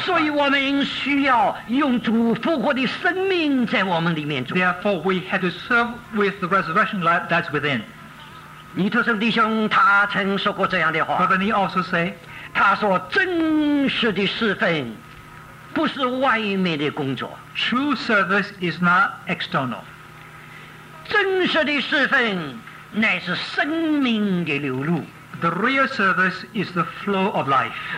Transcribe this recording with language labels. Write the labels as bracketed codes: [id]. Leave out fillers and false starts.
[zh] 所以我们需要用主复活的生命在我们里面做, [en] therefore we have to serve with the resurrection life that's within. [zh] 尼特森弟兄, 他曾说过这样的话, [en] Brother Nee also say, [zh] 他说真实的侍奉, 不是外面的工作, [en] true service is not external. [zh] 真实的侍奉乃是生命的流露, [en] the real service is the flow of life.